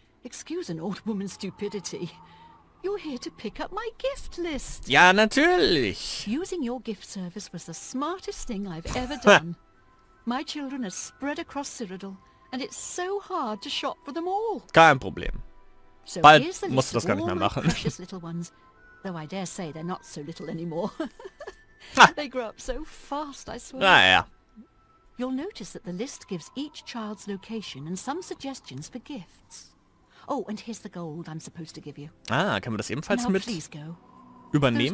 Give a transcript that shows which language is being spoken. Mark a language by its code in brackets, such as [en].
[en] Excuse an old woman's stupidity. You're here to pick up my gift list. [de] Ja, natürlich. [en] Using your gift service was the smartest thing I've ever done. My children are spread across Cyrodiil, and it's so hard to shop for them all. [de] Kein Problem. Bald musst du das gar nicht mehr machen. [en] Though I dare say they're not so little anymore. They grow up so fast, I swear. [de] Naja. [en] You'll notice that the list gives each child's location and some suggestions for gifts. Oh, and here's the gold I'm supposed to give you. [de] Ah, können wir das ebenfalls mit übernehmen?